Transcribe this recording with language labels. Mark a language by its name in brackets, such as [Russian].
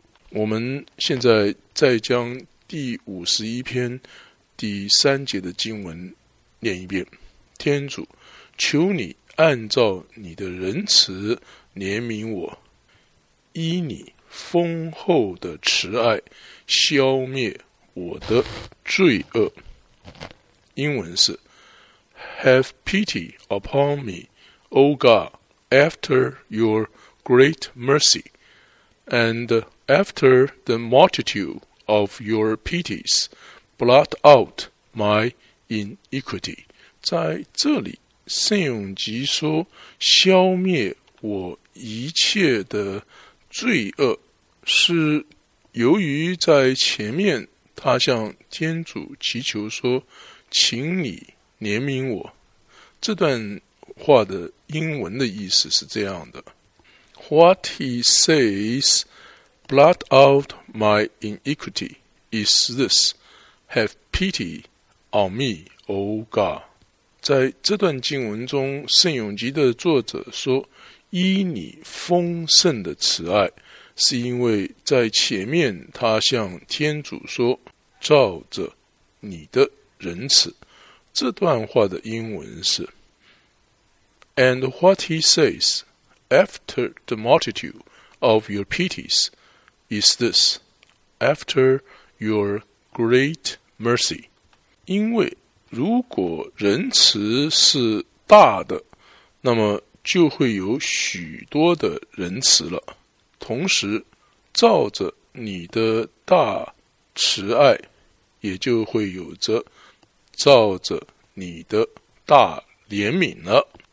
[Chinese] 我们现在再将第51篇第三节的经文念一遍。天主，求你按照你的仁慈怜悯我，依你丰厚的慈爱消灭我的罪恶。英文是 [English] Have pity upon me, O God, after your great mercy, and after the multitude of your pities, blot out my iniquity. [Chinese] 在这里圣咏集说消灭我一切的罪恶，是由于在前面他向天主祈求说，请你怜悯我。这段话的英文的意思是这样的， [English] What he says, blot out my iniquity, is this, Have pity on me, O God. [Chinese] 在这段经文中，圣咏集的作者说，依你丰盛的慈爱，是因为在前面他向天主说，照着你的仁慈。这段话的英文是 [English] And what he says after the multitude of your pities is this, after your great mercy. [Chinese] 因为如果仁慈是大的，那么就会有许多的仁慈了。同时照着你的大慈爱，也就会有着照着你的大怜悯了。